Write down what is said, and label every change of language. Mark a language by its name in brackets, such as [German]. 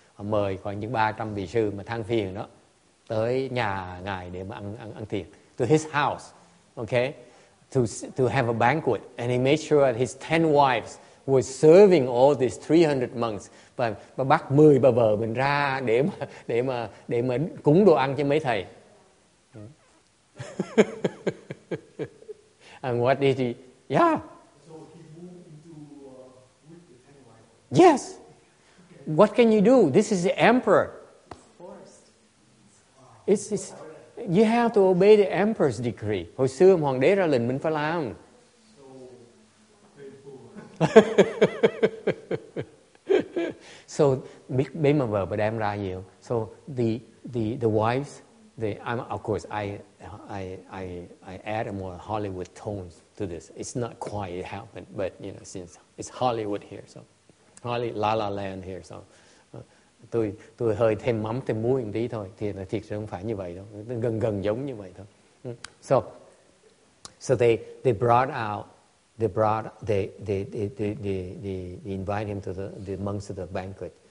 [Vietnamese] mời khoảng những 300 vị sư mà than phiền đó tới nhà ngài để mà ăn tiệc, [English] to his house, okay, to have a banquet. And he made sure that his 10 wives were serving all these 300 monks, [Vietnamese] và bắt 10 bà vợ mình ra để mà cúng đồ ăn cho mấy thầy. [English] And what did he? Yeah. So he moved into with the 10 wives. Yes. Okay. What can you do? This is the emperor. Forced. It's you have to obey the emperor's decree. [Vietnamese] Hồi xưa hoàng đế ra lệnh mình phải làm. [English] So painful. [Vietnamese] So biết bấy mà vợ đem ra nhiều. [English] So the wives, I add a more Hollywood tone to this. It's not quite it happened, but you know, since it's Hollywood here, so La La Land here, so [Vietnamese] tôi hơi thêm mắm thêm muối một tí thôi, thì là thiệt không phải như vậy đâu, gần giống như vậy thôi. [English] So they brought out, they invite him to the monks of the banquet.